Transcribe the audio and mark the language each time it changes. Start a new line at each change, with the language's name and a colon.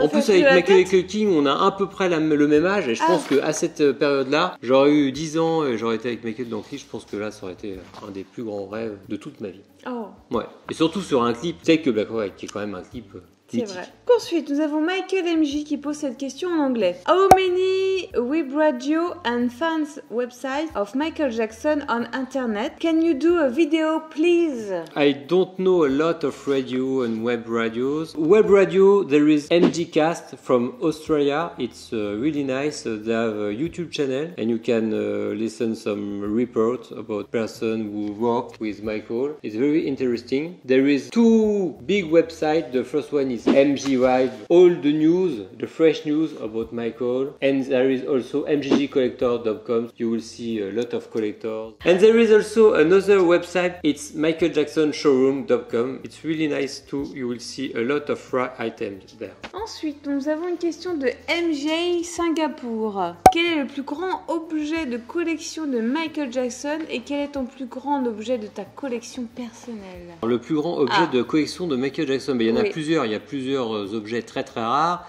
French: en plus, avec Michael King, on a à peu près le même âge. Et je pense qu'à cette période-là, j'aurais eu 10 ans et j'aurais été avec Michael Dankley. Je pense que là, ça aurait été un des plus grands rêves de toute ma vie. Oh. Ouais. Et surtout sur un clip tel que Black and White, qui est quand même un clip mythique. C'est vrai. Ensuite, nous avons Michael MJ qui pose cette question en anglais.
English: How many web radio and fans website of Michael Jackson on internet? Can you do a video, please? I don't know a lot of radio and web radios. Web radio, there is MGCast from Australia. It's really nice. They have a YouTube channel and you can listen some reports about person who worked with Michael. It's very interesting. There is two big websites. The first one is MG Drive, all the news, the fresh news about Michael, and there is also mggcollector.com. You will see a lot of collectors, and there is also another website, it's michaeljacksonshowroom.com. It's really nice too. You will see a lot of rare items there.
French: Ensuite, nous avons une question de MJ Singapour. Quel est le plus grand objet de collection de Michael Jackson et quel est ton plus grand objet de ta collection personnelle? Alors, le plus grand objet de collection de Michael Jackson, mais il y en a plusieurs. Il y a plusieurs objets très très rares.